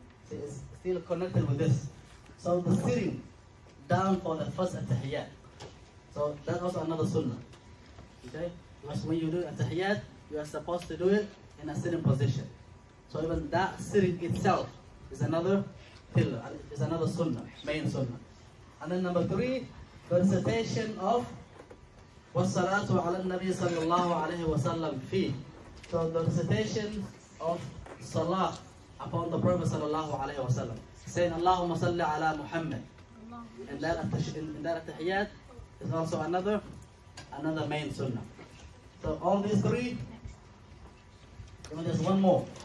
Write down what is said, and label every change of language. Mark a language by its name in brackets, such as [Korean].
[English] See, it's still connected with this. So the sitting down for the first at-tahiyyat. So that's also another sunnah. Okay? Because when you do at-tahiyyat, you are supposed to do it in a sitting position. So even that sitting itself is another pillar, is another sunnah, main sunnah. And then number 3, the recitation of [Arabic] وَالصَّلَاةُ عَلَى النَّبِيِّ صَلَّى اللَّهُ عَلَيْهِ وَسَلَّمْ فِيهِ. [English] So the recitation of salah upon the Prophet صلى الله عليه وسلم, saying [Arabic] اللهم صل على محمد. [English] And that at-tahiyyat is also another main sunnah. So all these 3, even there's 1 more.